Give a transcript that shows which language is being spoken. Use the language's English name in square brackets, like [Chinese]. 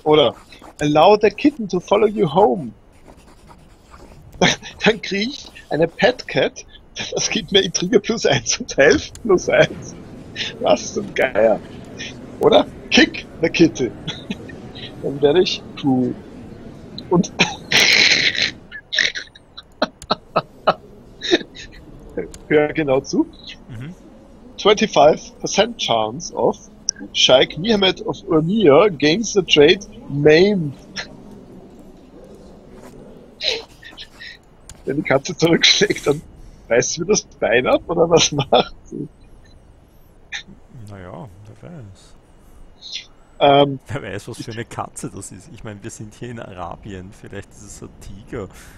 [German] Oder [English] allow the kitten to follow you home. [German] Dann kriege ich eine Pet Cat. Das gibt mir Intrige plus 1 und Health plus 1. Was zum Geier. Oder [English] kick the kitty. [German] Dann werde ich cool. Und hör genau zu. [English] 25% chance of Sheikh Mehmet of Urmia gains the trade maimed. [German] Wenn die Katze zurückschlägt, dann beißt sie mir das Bein ab oder was macht sie? Naja, wer weiß. Wer weiß, was für eine Katze das ist. Ich meine, wir sind hier in Arabien, vielleicht ist es ein Tiger.